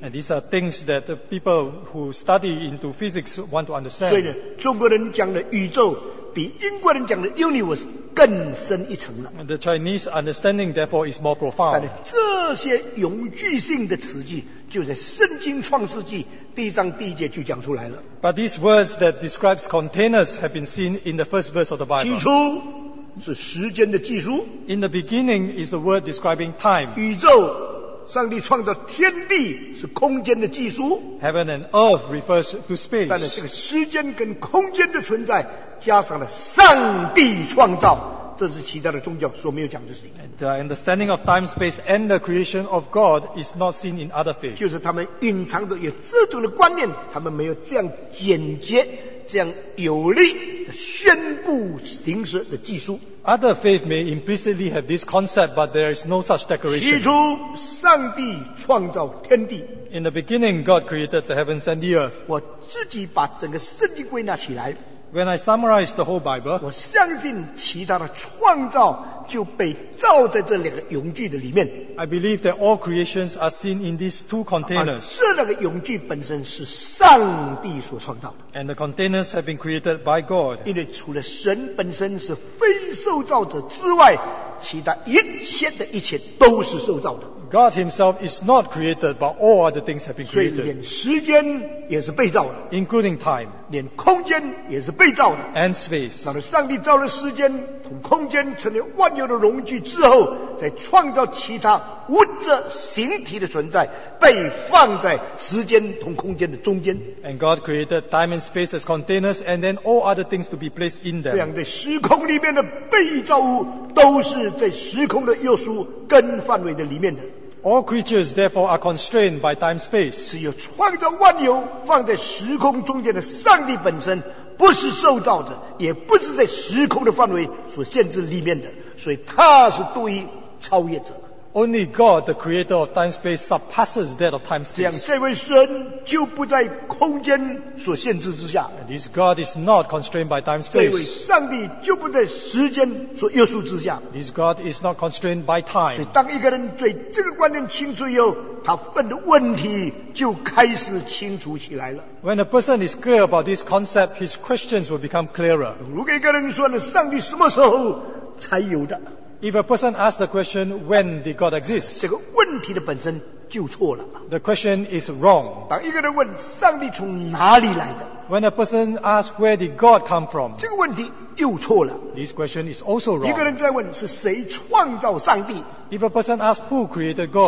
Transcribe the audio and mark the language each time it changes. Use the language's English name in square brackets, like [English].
[English] And these are things that the people who study into physics want to understand. [Chinese] 所以呢，中国人讲的宇宙比英国人讲的 universe 更深一层了。 [English] The Chinese understanding therefore is more profound. [Chinese] 但这些永续性的词句就在圣经创世纪第一章第一节就讲出来了。 [English] But these words that describes containers have been seen in the first verse of the Bible. [Chinese] 起初是时间的计数。 [English] In the beginning is the word describing time. [Chinese] 宇宙，上帝创造天地是空间的计数。 [English] Heaven and earth refers to space. [Chinese] 但是这个时间跟空间的存在，加上了上帝创造。这是其他的宗教所没有讲的事情。 [English] The understanding of time, space, and the creation of God is not seen in other faith. [Chinese] 就是他们隐藏的有这种的观念，他们没有这样简洁、这样有力的宣布形式的技术。 [English] Other faith may implicitly have this concept, but there is no such declaration. [Chinese] 起初，上帝创造天地。 [English] In the beginning, God created the heavens and the earth. [Chinese] 我自己把整个圣经归纳起来。 [English] When I summarize the whole Bible, [Chinese] 我相信其他的创造就被罩在这两个容具的里面。 [English] I believe that all creations are seen in these two containers. [Chinese] 这两个容具本身是上帝所创造的。 [English] And the containers have been created by God. [Chinese] 因为除了神本身是非受造者之外，其他一切的一切都是受造的。 [English] God himself is not created, but all other things have been created. [Chinese] 所以连时间也是被造的。 [English] Including time. [Chinese] 连空间也是被造的。 [English] And space. [Chinese] 那么上帝造了时间同空间成为万有的容具之后，再创造其他无质形体的存在，被放在时间同空间的中间。 [English] And God created time and space as containers, and then all other things to be placed in them. [Chinese] 这样在时空里面的被造物都是在时空的约束跟范围的里面的。 [English] All creatures therefore are constrained by time space. [Chinese] 只有创造万有放在时空中间的上帝本身，不是受造的，也不是在时空的范围所限制里面的，所以他是独一超越者。 [English] Only God, the creator of time space, surpasses that of time space. [Chinese] 这样这位神就不在空间所限制之下。 [English] And this God is not constrained by time space. [Chinese] 这位上帝就不在时间所约束之下。 [English] This God is not constrained by time. [Chinese] 所以当一个人对这个观念清楚以后，他问的问题就开始清楚起来了。 [English] When a person is clear about this concept, his questions will become clearer. [Chinese] 如果一个人说了上帝什么时候才有的？ [English] If a person asks the question, when did God exist? [Chinese] 这个问题的本身就错了。 [English] The question is wrong. [Chinese] 当一个人问上帝从哪里来的？ [English] When a person asks, where did God come from? [Chinese] 这个问题又错了。 [English] This question is also wrong. [Chinese] 一个人在问是谁创造上帝？ [English] If a person asks, who created God?